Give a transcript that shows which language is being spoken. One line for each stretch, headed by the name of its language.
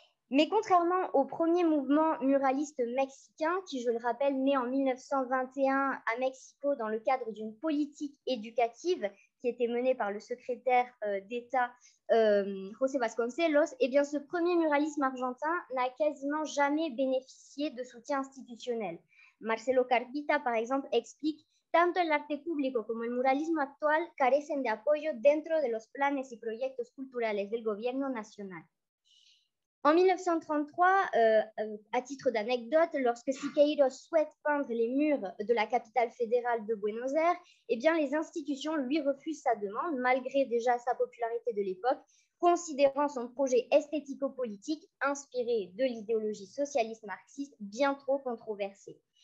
French: Mais contrairement au premier mouvement muraliste mexicain, qui, je le rappelle, naît en 1921 à Mexico dans le cadre d'une politique éducative qui était menée par le secrétaire d'État José Vasconcelos, eh bien, ce premier muralisme argentin n'a quasiment jamais bénéficié de soutien institutionnel.
Spanish: Marcelo Carpita,
French: par exemple, explique
Spanish: « Tanto el arte público como el muralismo actual carecen de apoyo dentro de los planes y proyectos culturales del gobierno nacional ».
French: En 1933, à titre d'anecdote, lorsque Siqueiros souhaite peindre les murs de la capitale fédérale de Buenos Aires, eh bien, les institutions lui refusent sa demande, malgré déjà sa popularité de l'époque, considérant son projet esthético-politique inspiré de l'idéologie socialiste marxiste bien trop controversée.